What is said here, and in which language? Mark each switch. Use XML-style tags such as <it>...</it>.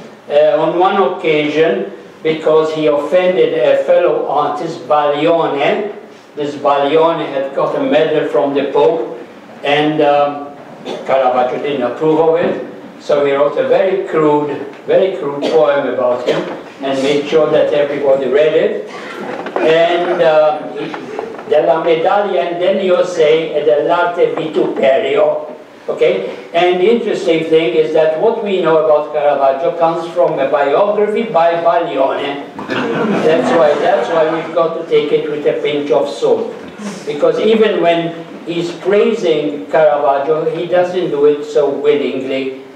<en>On one occasion, because he offended a fellow artist, Baglione. This Baglione had got a medal from the Pope, and Caravaggio didn't approve of it. So he wrote a very crude poem about him, and made sure that everybody read it.</en> <it>And della medaglia indegno sei e dell'arte vituperio.</it> <en>Okay? And the interesting thing is that what we know about Caravaggio comes from a biography by Baglione. That's why we've got to take it with a pinch of salt. Because even when he's praising Caravaggio, he doesn't do it so willingly.</en>